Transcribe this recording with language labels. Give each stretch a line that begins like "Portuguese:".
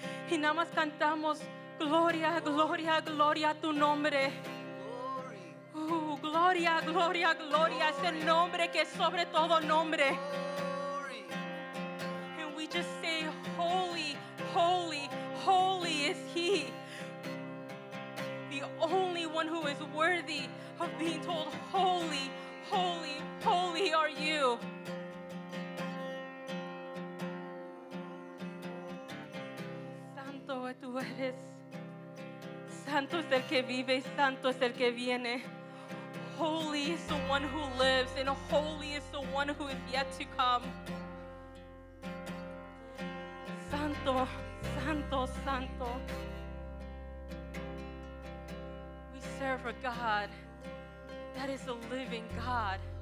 Spanish: Y nada más cantamos, gloria, gloria, gloria a tu nombre. Gloria, gloria, gloria es el nombre que es sobre todo nombre.
English: And we just say, holy, holy, holy is he. The only one who is worthy of being told, holy, holy, holy are you.
Spanish: Santo tú eres. Santo es el que vive, santo es el que viene.
English: Holy is the one who lives, and holy is the one who is yet to come.
Spanish: Santo, santo, santo.
English: We serve a God that is a living God.